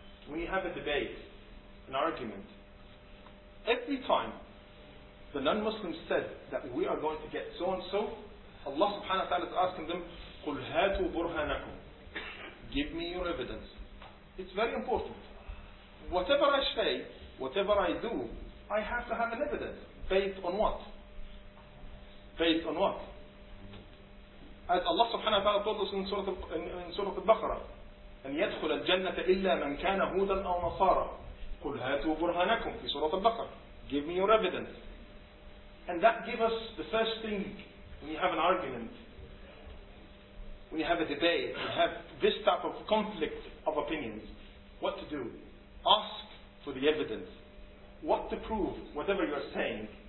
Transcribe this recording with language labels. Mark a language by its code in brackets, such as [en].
[en] When you have a debate, an argument, every time the non-Muslims said that we are going to get so and so, Allah subhanahu wa ta'ala is asking them, [ar] قُلْ هَاتُوا بُرْهَانَكُمْ, [en] give me your evidence. It's very important. Whatever I say, whatever I do, I have to have an evidence. Based on what? Based on what? As Allah subhanahu wa ta'ala told us in Surah Al-Baqarah, [ar] أَنْ يَدْخُلَ الْجَنَّةَ إِلَّا مَنْ كَانَ هُودًا أَوْ نَصَارًا قُلْ هَاتُوا بُرْهَانَكُمْ في Surah Al-Baqarah. [en] Give me your evidence. And that gives us the first thing when you have an argument, when you have a debate, when you have this type of conflict of opinions, what to do? Ask for the evidence. What to prove, whatever you're saying.